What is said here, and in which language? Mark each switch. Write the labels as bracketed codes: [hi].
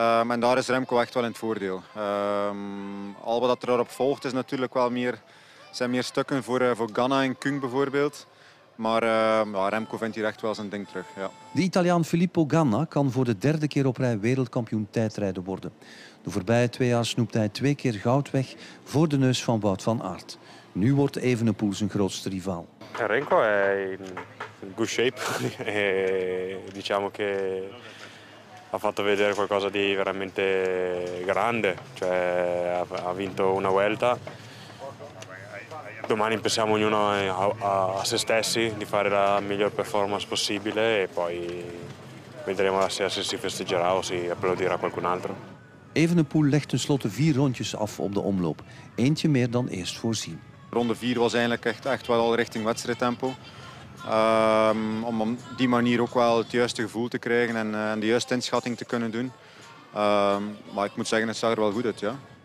[nl] En daar is Remco echt wel in het voordeel. Al wat er erop volgt is natuurlijk wel meer, zijn meer stukken voor Ganna en Kung bijvoorbeeld. Maar Remco vindt hier echt wel zijn ding terug. Ja. De Italiaan Filippo Ganna kan voor de derde keer op rij wereldkampioen tijdrijden worden. De voorbije twee jaar snoept hij twee keer goud weg voor de neus van Wout van Aert. Nu wordt Evenepoel zijn grootste rivaal. [en] Ja, Remco is in good shape. [it] Diciamo che ha fatto vedere qualcosa di veramente grande. Cioè, ha vinto una vuelta. Domani pensiamo ognuno a se stessi di fare la miglior performance possibile e poi vedremo se si festeggerà o si applaudirà qualcun altro. [nl] Evenepoel legt tenslotte vier rondjes af op de omloop. Eentje meer dan eerst voorzien. Ronde vier was eigenlijk echt wel al richting wedstrijdtempo. Om op die manier ook wel het juiste gevoel te krijgen en de juiste inschatting te kunnen doen. Maar ik moet zeggen, het zag er wel goed uit, ja.